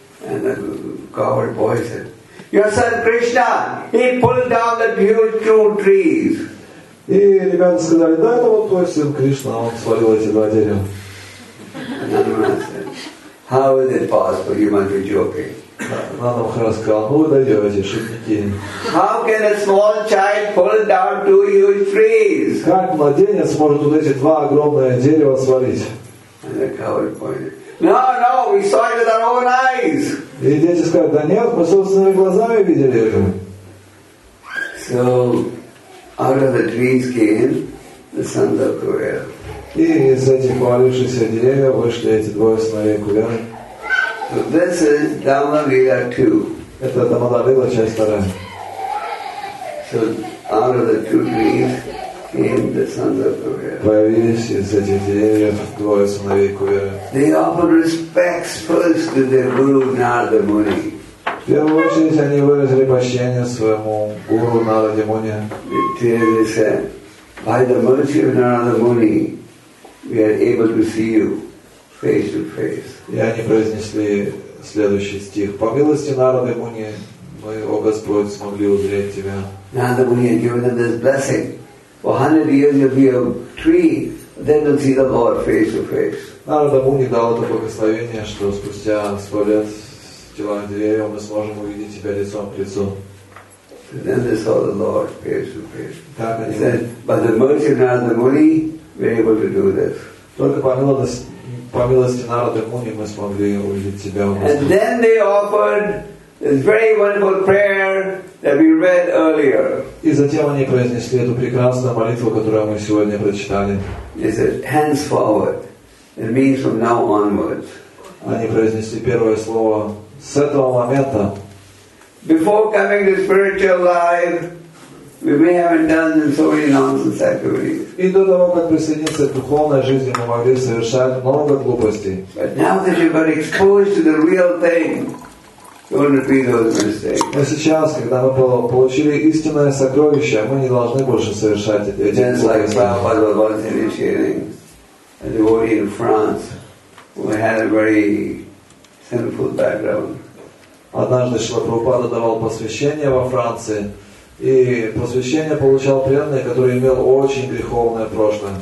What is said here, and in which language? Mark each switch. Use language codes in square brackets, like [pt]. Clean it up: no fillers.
[en] And the coward boy said, your son Krishna, he pulled down the huge two trees. [ru] И ребята сказали, да, это вот твой сын Кришна, он свалил эти два дерева. [en] Нанда Махарадж said, how is it possible? You must be joking. [ru] Нанда Махарадж сказал, ну вы даете, шутники. [en] How can a small child pull down two huge trees? [ru] Как младенец может вот эти два огромные дерева свалить? [en] And the coward pointed. No, we saw it with our own eyes. [ru] И дети сказали, да нет, мы собственными глазами видели это. [en] So out of the trees came the sons of Kuvera. [ru] И из этих повалившихся деревьев вышли эти двое сыновей Кувера. [en] So this is Dhamma Lila 2. [ru] Это Дамада Лила, часть вторая. [en] So out of the two trees came the sons of Kuvera. [ru] Появились из этих деревьев двое сыновей Кувера. [en] They offered respects first to their guru Narada Muni. [ru] В первую очередь они выразили почтение своему гуру Нараде Муни. [en] They said, by the mercy of Narada Muni, we are able to see you face to face. [ru] И они произнесли следующий стих. По милости Нарады Муни, мы, о Господь, смогли узреть тебя. [en] Narada Muni had given them this blessing. For 100 years you'll be a tree, then you'll see the Lord face to face. [ru] Нарада Муни дал это благословение, что спустя 100 лет с телами деревьев мы сможем увидеть тебя лицом к лицу. [en] So then they saw the Lord face to face. [ru] Так, [en] he said, by the mercy of Narada Muni, we're able to do this. [ru] Только по милости Нарады Муни мы смогли увидеть тебя. [en] And then they offered this very wonderful prayer that we read earlier. [ru] И затем они произнесли эту прекрасную молитву, которую мы сегодня прочитали. [en] They said, henceforward. It means from now onwards. [ru] Они произнесли первое слово с этого момента. [en] Before coming to spiritual life, we may have indulged in so many nonsense activities. [ru] И до того, как присоединиться к духовной жизни, мы могли совершать много глупостей. [en] But now that you've been exposed to the real thing, don't repeat those mistakes. [ru] Но сейчас, когда мы получили истинное сокровище, мы не должны больше совершать эти глупости. [en] Just like Prabhupada was initiating a devotee in France who had a very sinful background. [ru] Однажды Шрила Прабхупада давал посвящение во Франции, и посвящение получал преданный, который имел очень греховное прошлое.